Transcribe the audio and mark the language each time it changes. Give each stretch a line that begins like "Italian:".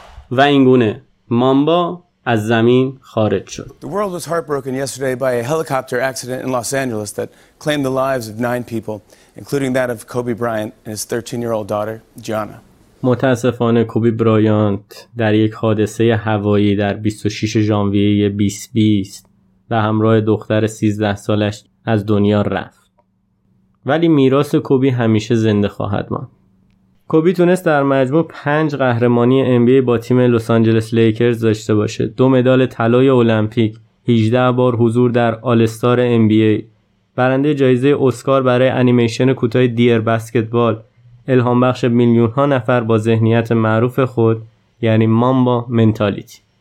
Persian: و اینگونه مامبا از زمین خارج شد.
English: The world was heartbroken yesterday by a helicopter accident in Los Angeles that claimed the lives of 9 people, including that of Kobe Bryant and his 13-year-old daughter, Gianna.
Persian: متاسفانه کوبی برایانت در یک حادثه هوایی در 26 ژانویه 2020 به همراه دختر 13 سالش از دنیا رفت. ولی میراث کوبی همیشه زنده خواهد ماند. کوبی تونست در مجموع 5 قهرمانی NBA با تیم لس آنجلس لیکرز داشته باشه، 2 مدال طلای المپیک، 18 بار حضور در آلستار NBA، برنده جایزه اسکار برای انیمیشن کوتاه دیر بسکتبال، الهام بخش میلیون ها نفر با ذهنیت معروف خود، یعنی مامبا منتالیتی.